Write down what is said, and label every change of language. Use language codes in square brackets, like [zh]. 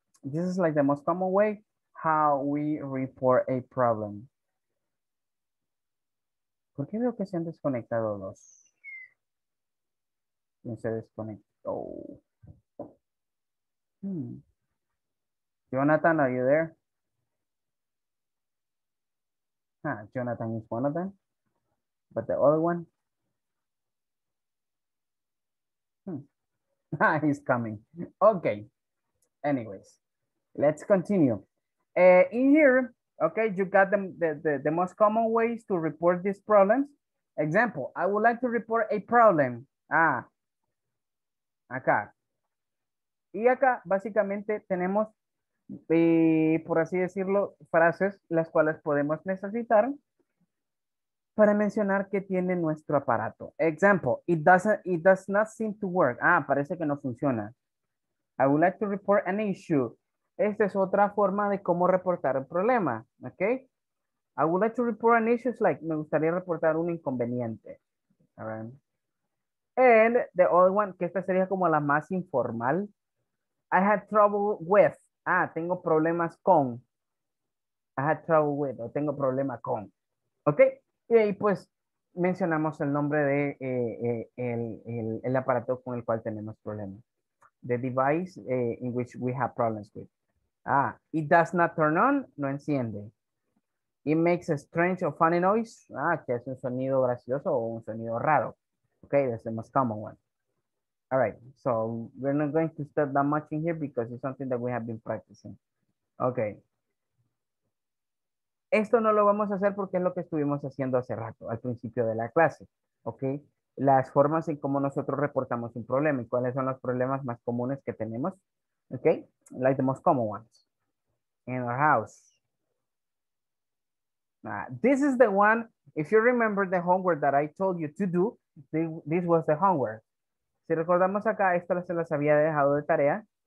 [en] This is like the most common way how we report a problem. [es] ¿Por qué veo que se han desconectado dos? ¿Quién se desconectó? [en] Jonathan, are you there? Ah, Jonathan is one of them. But the other one? He's coming. Okay. Anyways, let's continue. In here, okay, you got the most common ways to report these problems. Example, I would like to report a problem. [es] Ah, acá. Y acá, básicamente, tenemos, por así decirlo, frases las cuales podemos necesitar para mencionar qué tiene nuestro aparato. [en] Example, it does not seem to work. Ah, [es] parece que no funciona. [en] I would like to report an issue. [es] Esta es otra forma de cómo reportar el problema, ¿ok? [en] I would like to report an issue, like, [es] me gustaría reportar un inconveniente. [en] All right. And the other one, [es] que esta sería como la más informal. [en] I had trouble with. Ah, [es] tengo problemas con. [en] I had trouble with, [es] o tengo problema con. ¿Ok? Y ahí pues mencionamos el nombre de el aparato con el cual tenemos problemas. [en] The device in which we have problems with. Ah, it does not turn on, [es] no enciende. [en] It makes a strange or funny noise. [es] Ah, que es un sonido gracioso o un sonido raro. [en] Okay, that's the most common one. All right, so we're not going to step that much in here because it's something that we have been practicing. Okay. [es] Esto no lo vamos a hacer porque es lo que estuvimos haciendo hace rato, al principio de la clase. Okay, las formas en cómo nosotros reportamos un problema y cuáles son los problemas más comunes que tenemos. [en] Okay, like the most common ones in our house. This is the one, if you remember the homework that I told you to do, this was the homework. [es] Si recordamos acá, esta se las había dejado de tarea.